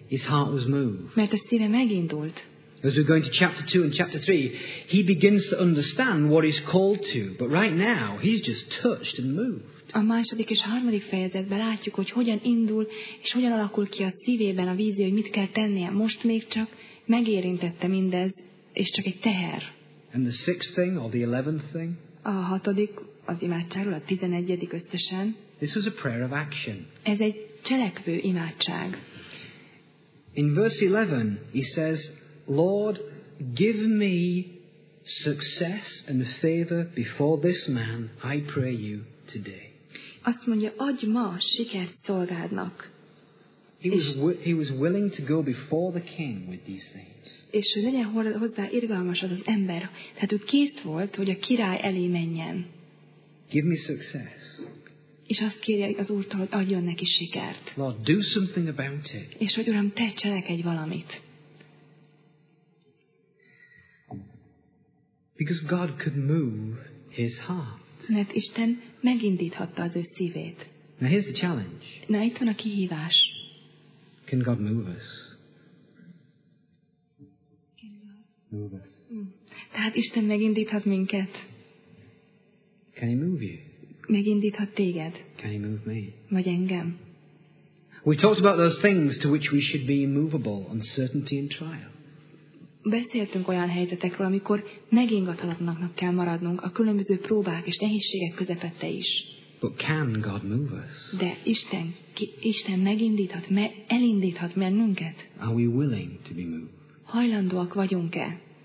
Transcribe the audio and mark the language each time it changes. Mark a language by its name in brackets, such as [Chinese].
[English] His heart was moved. [Hungarian] Mert a szíve megindult. [English] As we're going to chapter 2 and chapter 3, he begins to understand what he's called to, but right now he's just touched and moved. [Hungarian] A második és harmadik fejezetben látjuk, hogy hogyan indul és hogyan alakul ki a szívében a vízió, hogy mit kell tennie. Most még csak megérintette mindez, és csak egy teher. [English] And the sixth thing or the 11th thing? [Hungarian] A hatodik az imádságról, a 11. összesen. [English] This was a prayer of action. [Hungarian] Ez egy cselekvő imádság. [English] In verse 11, he says, Lord, give me success and favor before this man, I pray you today. [Hungarian] Azt mondja, adj ma sikert szolgádnak. [English] He was willing to go before the king with these things. [Hungarian] És hogy legyen hozzá irgalmas az ember, tehát ő kész volt, hogy a király elé menjen. [English] Give me success. [Hungarian] És azt kérje az Úrtól, hogy adjon neki sikert. [English] Lord, do something about it. [Hungarian] És hogy Uram, te cselekedj valamit. [English] Because God could move his heart. [Hungarian] Mert Isten megindíthatta az ő szívét. [English] Now here's the challenge. [Hungarian] Na itt van a kihívás. [English] Can God move us? [Hungarian] Tehát Isten megindíthat minket. [English] Can he move you? [Hungarian] Megindíthat téged. [English] Can he move me? [Hungarian] Vagy engem. [English] We talked about those things to which we should be immovable, uncertainty and trial. [Hungarian] Beszéltünk olyan helyzetekről, amikor megingatlanoknak kell maradnunk a különböző próbák és nehézségek közepette is. [English] But can God move us? [Hungarian] De Isten, Isten megindíthat, elindíthat bennünket. [English] Are we willing to be moved? [Hungarian] Hajlandóak vagyunk-e?